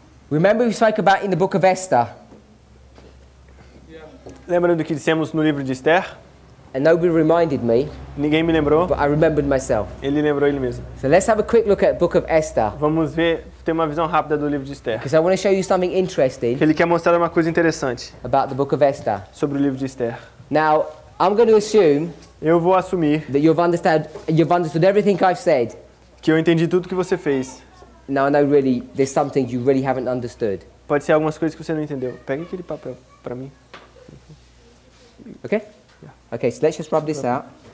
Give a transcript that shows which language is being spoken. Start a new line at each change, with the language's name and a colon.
English: Remember we spoke about in the book of Esther.
Portuguese: Lembrando do que dissemos no livro de Esther?
English: And nobody reminded me.
Portuguese: Ninguém me lembrou.
English: But I remembered myself.
Portuguese: Ele lembrou ele mesmo.
English: So let's have a quick look at the book of Esther.
Portuguese: Vamos ver, ter uma visão rápida do livro de Esther.
English: Because I want to show you something interesting.
Portuguese: Ele quer mostrar uma coisa interessante.
English: About the book of Esther.
Portuguese: Sobre o livro de Esther.
English: Now, I'm going to assume.
Portuguese: Eu vou assumir.
English: That you've understood everything I've said.
Portuguese: Que eu entendi tudo que você fez.
English: Now I know really there's something you really haven't understood.
Portuguese: Pode ser algumas coisas que você não entendeu. Pega aquele papel para mim.
English: Okay? Yeah. Okay, so let's just rub this out.